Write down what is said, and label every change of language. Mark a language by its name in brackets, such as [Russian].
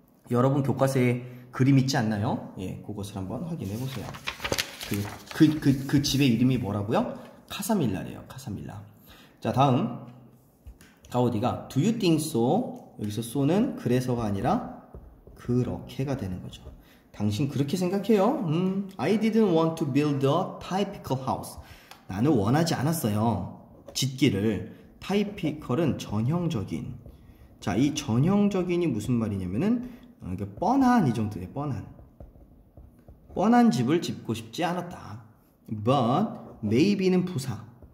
[Korean] 여러분 교과서에 그림 있지 않나요? 예, 그것을 한번 확인해 보세요. 그 집의 이름이 뭐라고요? 카사밀라래요, 카사밀라. 자, 다음. 가우디가, Do you think so? 여기서 so는 그래서가 아니라 그렇게가 되는 거죠. 당신 그렇게 생각해요? [English] I didn't want to build a typical house. [Korean] 나는 원하지 않았어요. 짓기를. typical은 전형적인. 자, 이 전형적인이 무슨 말이냐면은 그러니까 뻔한 이 정도의 뻔한. 뻔한 집을 짓고 싶지 않았다. But maybe 는 부사.